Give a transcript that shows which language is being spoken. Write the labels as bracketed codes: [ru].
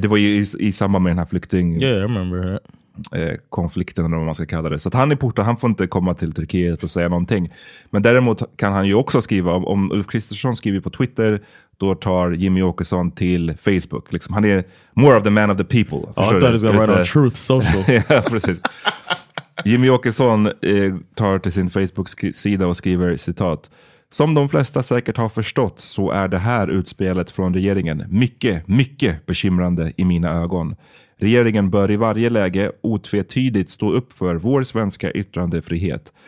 [sv] Det var ju i samband med den här flykting... [en] Yeah, I remember that. [sv] Konflikten eller vad man ska kalla det. Så att han är portad, han får inte komma till Turkiet och säga någonting. Men däremot kan han ju också skriva, om Ulf Kristersson skriver på Twitter, då tar Jimmy Åkesson till Facebook. Liksom, han är [en] more of the man of the people. Oh, I thought he's gonna write on Truth Social. [sv] Ja, precis. Jimmy Åkesson tar till sin Facebook-sida och skriver citat: som de flesta säkert har förstått så är det här utspelet från regeringen mycket, mycket bekymrande i mina ögon. Regeringen bör i varje läge otvetydigt stå upp för vår svenska yttrandefrihet.